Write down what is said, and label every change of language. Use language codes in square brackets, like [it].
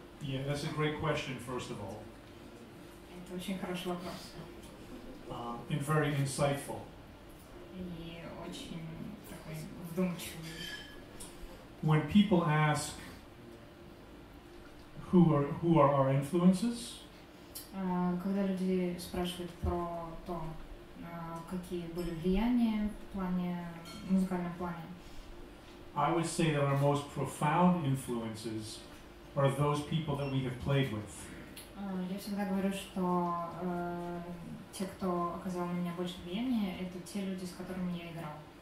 [en] Yeah, that's a great question, first of all. [ru] Это очень хороший вопрос. [en] And very insightful. [ru] И очень такой вдумчивый. [en] When people ask who are our influences? [ru] Когда люди спрашивают про то, какие были влияния в плане музыкальном плане. [en] I would say that our most profound influences are those people that we have played with. [ru] Я всегда говорю, что те, кто оказал на меня больше влияния, это те люди, с которыми я играл.